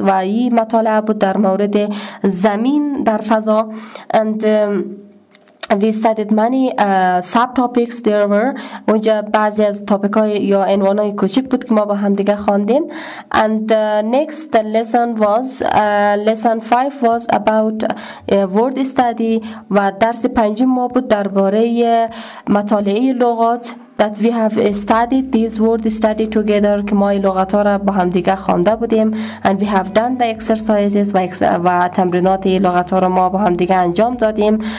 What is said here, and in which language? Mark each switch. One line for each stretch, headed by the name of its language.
Persian: و این مطالعه بود در مورد زمین در فضا.
English: And we studied many subtopics. There were
Persian: اونجا بعضی از تاپیک های یا عنوان های کوچک بود که ما با هم دیگه خواندیم.
English: And next the lesson was lesson 5 was about word study.
Persian: و درس پنجم ما بود درباره مطالعه لغات.
English: That we have studied this word study together.
Persian: که ما این لغت ها را با هم دیگه خوانده بودیم.
English: And we have done the exercises.
Persian: و تمرینات این لغت ها را ما با هم دیگه انجام دادیم.